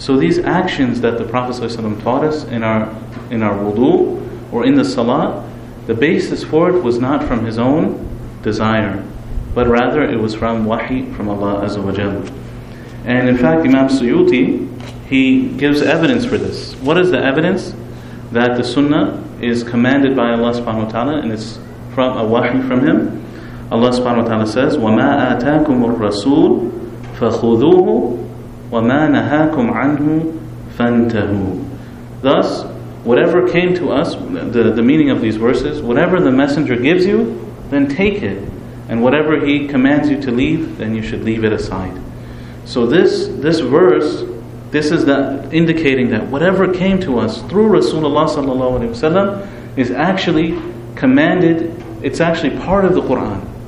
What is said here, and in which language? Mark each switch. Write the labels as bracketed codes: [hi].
[en] So these actions that the Prophet sallallahu alaihi wasallam taught us in our wudu, or in the Salah, the basis for it was not from his own desire, but rather it was from wahi from Allah Azza wa Jalla. And in fact, Imam Suyuti, he gives evidence for this. What is the evidence? That the sunnah is commanded by Allah subhanahu wa ta'ala and it's from a wahi from him. [ar] Allah subhanahu wa ta'ala says, وَمَا آتَاكُمُ الرَّسُولُ فَخُذُوهُ وَمَا نَهَاكُمْ عَنْهُ فَانْتَهُ. [en] Thus, whatever came to us, the meaning of these verses, whatever the messenger gives you, then take it. And whatever he commands you to leave, then you should leave it aside. So this verse, this is that indicating that whatever came to us through Rasulullah sallallahu alaihi wasallam is actually commanded, it's actually part of the Qur'an.